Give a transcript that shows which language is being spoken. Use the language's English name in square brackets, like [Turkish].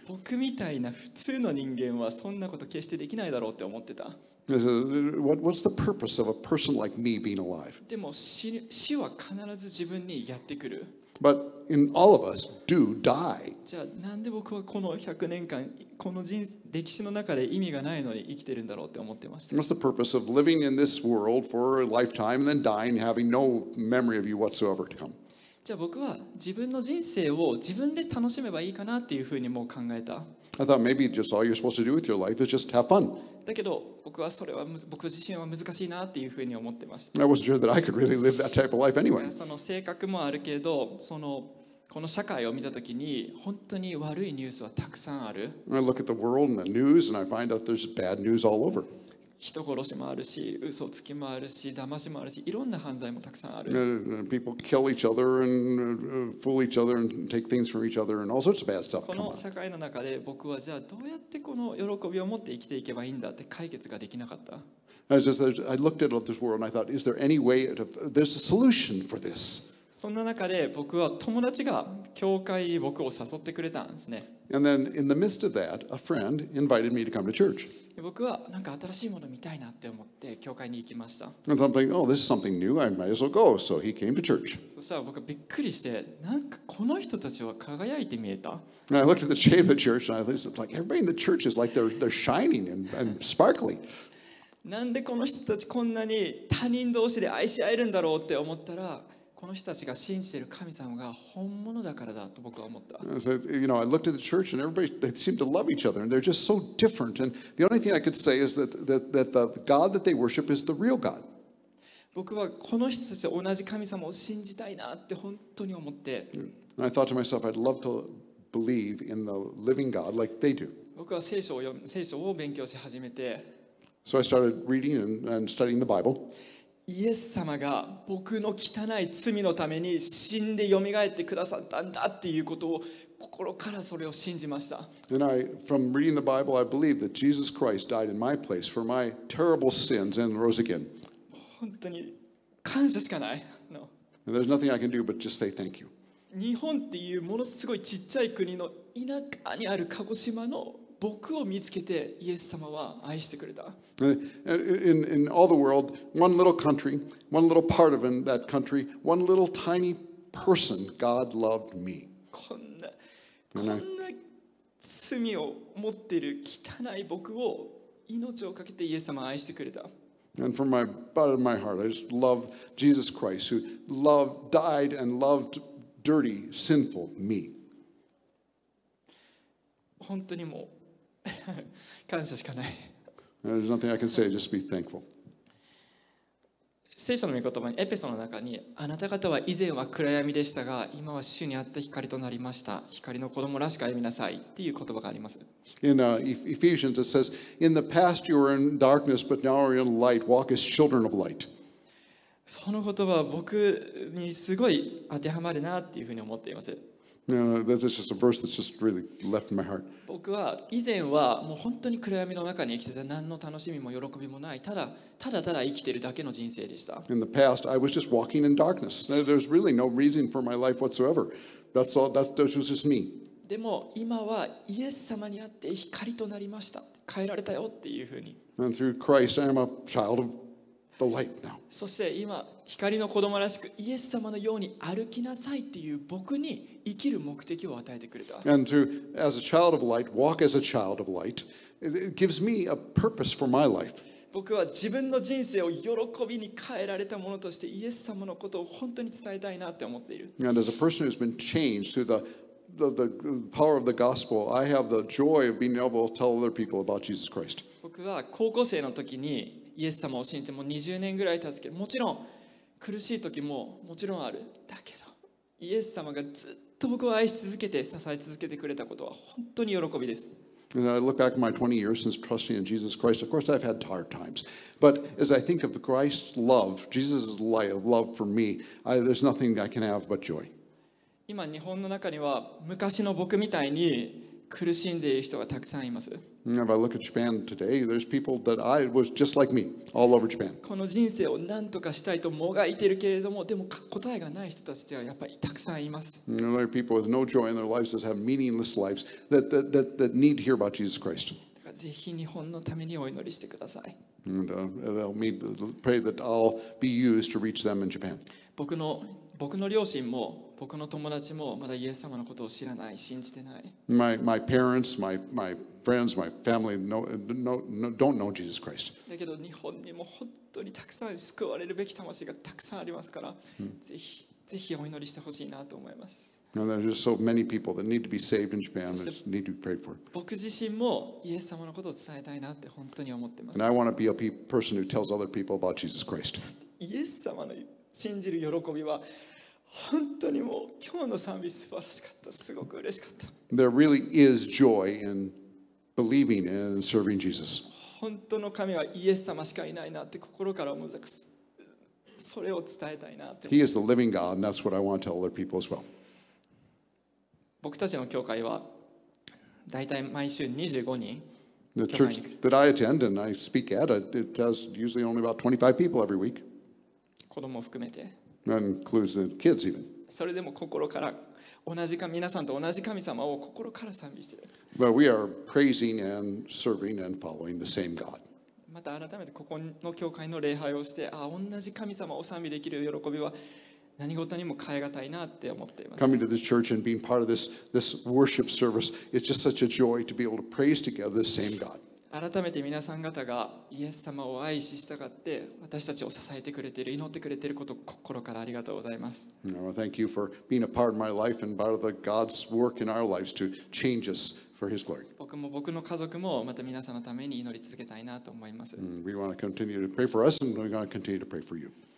[Japanese] 僕みたいな普通の人間はそんなこと決してできないだろうって思ってた。 [English] What's the purpose of a person like me being alive? [Japanese] でも死は必ず自分にやってくる。 [English] But in all of us do die. [Japanese] じゃあなんで僕はこの100年間この人歴史の中で意味がないのに生きてるんだろうって思ってました。 [English] What's the purpose of living in this world for a lifetime and then dying having no memory of you whatsoever to come? [Japanese] じゃあ僕は自分の人生を自分で楽しめばいいかなっていうふうにもう考えた。 [English] I thought maybe just all you're supposed to do with your life is just have fun. [Japanese] だけど僕はそれは僕自身は難しいなっていうふうに思ってました。 [English] I wasn't sure that I could really live that type of life anyway. [Japanese] その性格もあるけど、そのこの社会を見たときに本当に悪いニュースはたくさんある。 [English] I look at the world and the news and I find out there's bad news all over. [Japanese] 人殺しもあるし、嘘つきもあるし、騙しもあるし、いろんな犯罪もたくさんある。 [English] People kill each other and fool each other and take things from each other and all sorts of bad stuff. [Japanese] この社会の中で僕はじゃあどうやってこの喜びを持って生きていけばいいんだって解決ができなかった。 [English] I looked at this world and I thought, is there any way to, there's a solution for this? [Japanese] そんな中で僕は友達が教会に僕を誘ってくれたんですね。 [English] And then in the midst of that, a friend invited me to come to church. [Japanese] 僕はなんか新しいもの見たいなって思って教会に行きました。 [English] And I'm thinking, oh, this is something new. I might as well go. So he came to church. [Japanese] そしたら僕はびっくりして、なんかこの人たちは輝いて見えた。 [English] And I looked at the chain of the church and I was like, everybody in the church is like they're shining and sparkly. [Japanese] なんでこの人たちこんなに他人同士で愛し合えるんだろうって思ったら、この人たちが信じている神様が本物だからだと僕は思った。 [English] So, you know, I looked at the church and everybody they seemed to love each other and they're just so different. And the only thing I could say is that the God that they worship is the real God. [Japanese] 僕はこの人たちと同じ神様を信じたいなって本当に思って。 [English] And I thought to myself, I'd love to believe in the living God like they do. [Japanese] 僕は聖書を勉強し始めて。 [English] So I started reading and studying the Bible. [Japanese] イエス様が僕の汚い罪のために死んで蘇ってくださったんだっていうことを心からそれを信じました。 [English] And I, from reading the Bible, I believe that Jesus Christ died in my place for my terrible sins and rose again. [Japanese] 本当に感謝しかない。 [English] No. And there's nothing I can do but just say thank you. [Japanese] 日本っていうものすごいちっちゃい国の田舎にある鹿児島の僕を見つけてイエス様は愛してくれた。 [English] In all the world, one little country, one little part of that country, one little tiny person, God loved me. [Japanese] こんな、こんな罪を持っている汚い僕を命をかけてイエス様は愛してくれた。 [English] And from my bottom of my heart, I just love Jesus Christ, who loved, died, and loved dirty, sinful me. [Japanese] 本当にもう感謝しかない。 [English] There's nothing I can say, just be thankful. [Japanese] 聖書の御言葉にエペソの中にあなた方は以前は暗闇でしたが今は主にあった光となりました光の子供らしく歩みなさいっていう言葉があります。 [English] In Ephesians it says In the past you were in darkness but now are in light walk as children of light. [Japanese] その言葉は僕にすごい当てはまるなっていうふうに思っています。 [English] That's just a verse that's just really left in my heart. [Japanese] 僕は以前はもう本当に暗闇の中に生きてた何の楽しみも喜びもないただただただ生きてるだけの人生でした。 [English] In the past, I was just walking in darkness. There's really no reason for my life whatsoever. That's all. That was just me. [Japanese] でも今はイエス様にあって光となりました。変えられたよっていうふうに。 [English] And through Christ, I am a child of the light now. [Japanese] そして今光の子供らしくイエス様のように歩きなさいっていう僕に。生きる目的を与えてくれた。 [English] And to, as a child of light, walk as a child of light, it gives me a purpose for my life. [Japanese] 僕は自分の人生を喜びに変えられたものとしてイエス様のことを本当に伝えたいなって思っている。 [English] And as a person who's been changed through the power of the gospel, I have the joy of being able to tell other people about Jesus Christ. [Japanese] 僕は高校生の時にイエス様を信じてもう20年ぐらい経つけど、もちろん苦しい時ももちろんある。だけど。イエス様がずっと僕を愛し続けて支え続けてくれたことは本当に喜びです。 [English] And I look back at my 20 years since trusting in Jesus Christ. Of course, I've had hard times. But as I think of Christ's love, Jesus' love for me, there's nothing I can have but joy. [Japanese] 今日本の中には昔の僕みたいに苦しんでいる人がたくさんいます。 [English] If I look at Japan today, there's people that I was just like me, all over Japan. [Japanese] この人生を何とかしたいともがいてるけれども、でも答えがない人たちではやっぱりたくさんいます。 [English] There are people with no joy in their lives, that have meaningless lives, that need to hear about Jesus Christ. [Japanese] だからぜひ日本のためにお祈りしてください。 [English] And I'll pray that I'll be used to reach them in Japan. [Japanese] 僕の両親も僕の友達もまだイエス様のことを知らない、信じてない。 [English] My parents, my friends, my family don't know Jesus Christ. [Japanese] だけど日本にも本当にたくさん救われるべき魂がたくさんありますから、ぜひお祈りしてほしいなと思います。 [English] And there are just so many people that need to be saved in Japan that need to be prayed for. [Japanese] 僕自身もイエス様のことを伝えたいなって本当に思ってます。 [English] And I want to be a person who tells other people about Jesus Christ. [Japanese] イエス様の信じる喜びは本当にもう今日の賛美素晴らしかった。すごく嬉しかった。 [English] There really is joy in believing and serving Jesus. [Japanese] 本当の神はイエス様しかいないなって心から思う。それを伝えたいなって。 [English] He is the living God, and that's what I want to tell other people as well. [Japanese] 僕たちの教会はだいたい毎週25人。 [English] The church that I attend and I speak at, it has usually only about 25 people every week. [Japanese] 子供を含めて。 [English] That includes the kids even. [Japanese] それでも心から同じか皆さんと同じ神様を心から賛美している。 [English] But we are praising and serving and following the same God. [Japanese] また改めてここの教会の礼拝をして、あ、同じ神様を賛美できる喜びは何事にも変えがたいなって思っています。 [English] Coming to this church and being part of this worship service, it's just such a joy to be able to praise together the same God. [Japanese] 改めて皆さん方がイエス様を愛し従って私たちを支えてくれている祈ってくれていることを心からありがとうございます。 [English] Thank you for being a part of my life and part of the God's work in our lives to change us for His glory. [Japanese] 僕も僕の家族もまた皆さんのために祈り続けたいなと思います。 [English] We want to continue to pray for us and we're going to continue to pray for you.